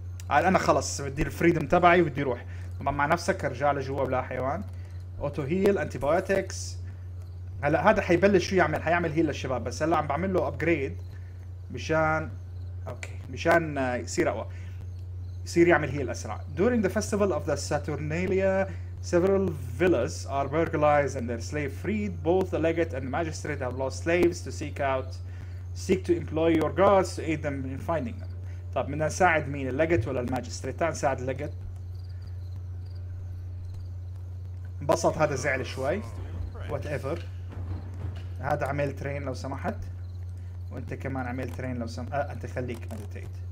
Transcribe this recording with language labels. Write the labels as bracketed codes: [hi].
[ar] قال أنا خلص بدي الفريدم تبعي بدي روح. طبعا مع نفسك ارجع لجوا بلا حيوان. [en] Auto heal, antibiotics. [ar] هلا هذا حيبلش شو يعمل؟ حيعمل هيل للشباب بس هلا عم بعمل له ابجريد مشان اوكي مشان يصير اقوى. يصير يعمل هيل اسرع. [en] During the festival of the Saturnalia, several villas are burglarized and their slave freed. Both the legate and the magistrate have lost slaves to seek out. Seek to employ your guards to aid them in finding them. [ar] طب بدنا نساعد مين؟ اللجت ولا الماجستريت؟ تعال نساعد اللجت. انبسط هذا زعل شوي. [en] Whatever. [ar] هذا عمل ترين لو سمحت. وانت كمان عمل ترين لو سمحت. انت خليك مديتيت.